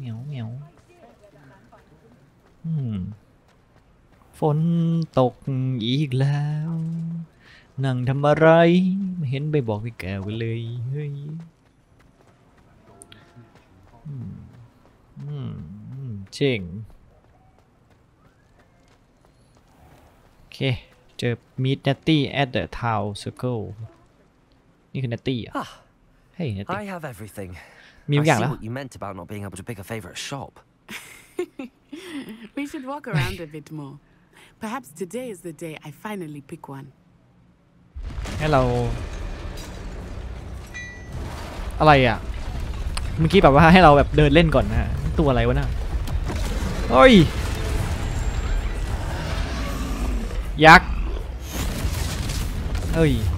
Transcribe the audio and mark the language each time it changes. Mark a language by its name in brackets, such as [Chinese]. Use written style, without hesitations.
[Thai] บชุบฝนตกอีกแล้วนั่งทำอะไรไม่เห็นไปบอกพี่แกไปเลยเฮ้ยเจ๋งโอเคเจอ [English] Meet Natty at the Town Circle [Thai] นี่คือ Natty อ่ะเฮ้ย Natty [English] I have everything [Thai] มีอย่างแล้ว [English] I see what you meant about not being able to pick a favorite shop We should walk around a bit more Perhaps today is the day I finally pick one. Hello. [Thai] อะไรอ่ะเมื่อกี้แบบว่าให้เราแบบเดินเล่นก่อนนะตัวอะไรวะน่ะโอ้ยยักษ์เฮ้ย